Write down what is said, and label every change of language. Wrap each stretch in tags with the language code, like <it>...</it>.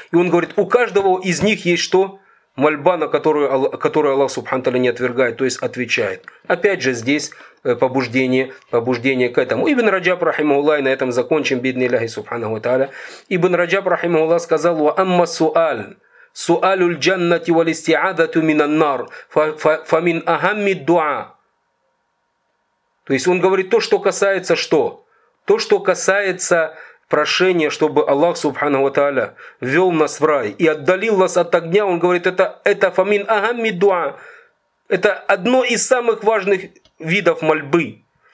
<ru>И он говорит, у каждого из них есть что? Мольба, на которую Аллах, субханаху ва тааля, не отвергает, то есть отвечает. Опять же, здесь побуждение, к этому. Ибн Раджаб, рахимахуллах, и на этом закончим, бидни Иллахи, субханаху та'аля. Ибн Раджаб, рахимахуллах, сказал,</ru> <ar>«Ва амма суаль». سؤال الجنة والاستعادة من النار فمن أهم الدعاء.</ar> <ru>То есть он говорит то, что касается что? То, что касается прошения, чтобы Аллах Субханаху ва Тааля ввел нас в рай и отдалил нас от огня, он говорит, это</ru> <ar>فمن أهم الدعاء.</ar> <ru>Это одно из самых важных видов мольбы.</ru>